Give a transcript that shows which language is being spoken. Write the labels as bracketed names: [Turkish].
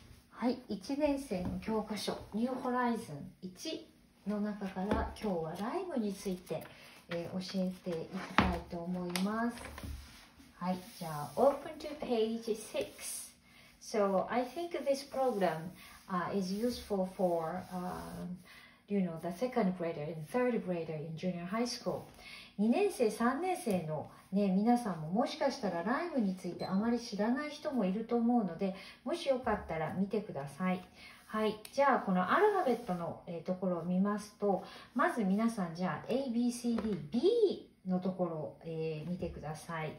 [Japanese] はい、1年生の教科書、ニューホライズン1の中から今日はライムについて、教えていきたいと思います。はい、じゃあ、 [English] open to page 6. So, I think this program, is useful for, you know, the second grader and third grader in junior high school. [Japanese] 2年生、3年生の、ね、皆さんももしかしたらライムについてあまり知らない人もいると思うのでもしよかったら見てください。はい、じゃあこのアルファベットの、ところを見ますとまず皆さんじゃあ ABCD、B のところを、見てください。